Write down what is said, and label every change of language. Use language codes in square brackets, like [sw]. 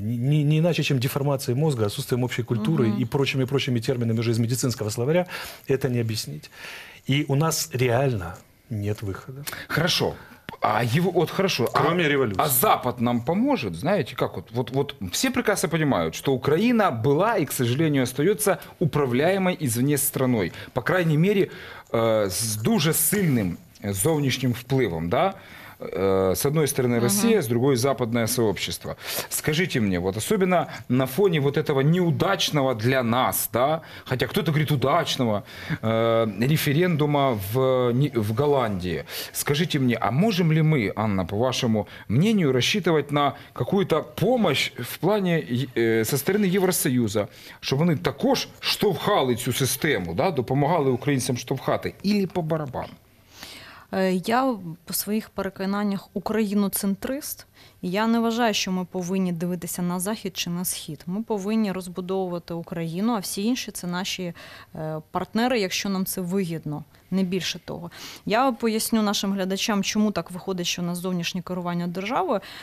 [ru] Не иначе, чем деформация мозга, отсутствием общей культуры и прочими терминами уже из медицинского словаря, это не объяснить. И у нас реально нет выхода. Хорошо. А его, вот хорошо. Кроме революции. А Запад нам поможет, знаете, как вот? Вот все прекрасно понимают, что Украина была и, к сожалению, остается управляемой извне страной. По крайней мере, с [uk] дуже сильным зовнішнім впливом, [ru] да? С одной стороны Россия, с другой западное сообщество. Скажите мне, вот особенно на фоне вот этого неудачного для нас, да, хотя кто-то говорит удачного, референдума в Голландии. Скажите мне, а можем ли мы, Анна, по вашему мнению, рассчитывать на какую-то помощь в плане со стороны Евросоюза, чтобы они [uk] також штовхали цю систему, да, допомагали українцям штовхати, [ru] или по барабану? [uk] Я по своїх переконаннях україноцентрист. Я не вважаю, що ми повинні дивитися на Захід чи на Схід. Ми повинні розбудовувати Україну, а всі інші – це наші партнери, якщо нам це вигідно. Не більше того. Я поясню нашим глядачам, чому так виходить, що у нас зовнішнє керування держави.